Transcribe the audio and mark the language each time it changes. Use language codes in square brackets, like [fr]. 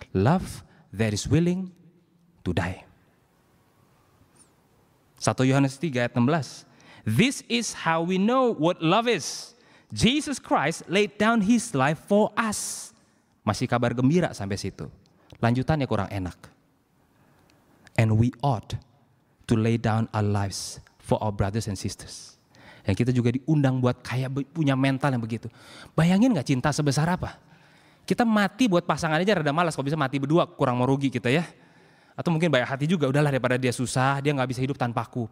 [en] Love that is willing to die. [id] 1 Yohanes 3 ayat 16. [en] This is how we know what love is. Jesus Christ laid down his life for us. [id] Masih kabar gembira sampai situ. Lanjutannya kurang enak. [en] And we ought to lay down our lives for our brothers and sisters. [id] Yang kita juga diundang buat kayak punya mental yang begitu. Bayangin gak cinta sebesar apa? Kita mati buat pasangan aja rada malas. Kalau bisa mati berdua kurang mau rugi kita ya. Atau mungkin baik hati juga, udahlah daripada dia susah, dia gak bisa hidup tanpaku.